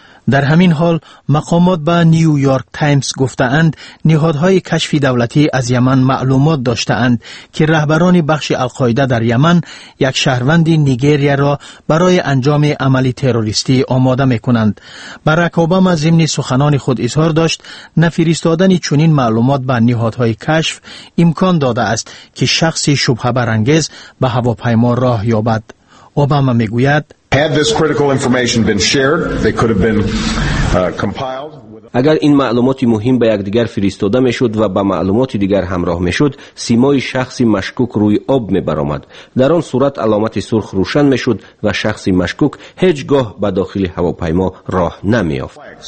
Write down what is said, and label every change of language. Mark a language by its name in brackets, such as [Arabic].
[Persian] در همین حال مقامات به نیویورک تایمز گفته اند نهادهای کشف دولتی از یمن معلومات داشته اند که رهبران بخش القاعده در یمن یک شهروند نیجریه را برای انجام عملی تروریستی آماده می کنند. باراک اوباما ضمن سخنان خود اظهار داشت نفرستادن چنین معلومات به نهادهای کشف امکان داده است که شخصی شبهه برانگیز به هواپیما راه یابد. اوباما می گوید [English] Had this critical information been shared, they could have been compiled. [Persian] اگر این معلومات مهم به یک دیگر فرستاده می شد و به معلومات دیگر همراه می شد، سیمای شخص مشکوک روی آب می برآمد. در آن صورت علامت سرخ روشن می شد و شخص مشکوک هیچ گاه به داخل هواپیما راه نمی یافت.